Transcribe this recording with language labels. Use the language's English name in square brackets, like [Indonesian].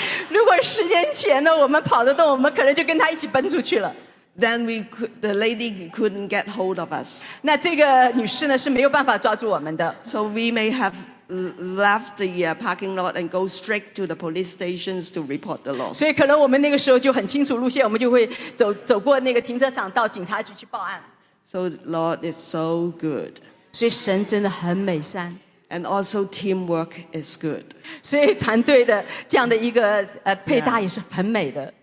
[Chinese] 如果十年前呢，我们跑得动，我们可能就跟他一起奔出去了。 [English] Then the lady couldn't get hold of us. [Chinese] 那这个女士呢是没有办法抓住我们的。 [English] So we may have left the parking lot and go straight to the police stations to report the loss. [Chinese] 所以可能我们那个时候就很清楚路线，我们就会走过那个停车场到警察局去报案。 [English] So Lord is so good. [Chinese] 所以神真的很美善。 [English] And also teamwork is good. [Chinese] 所以团队的这样的一个配搭也是很美的。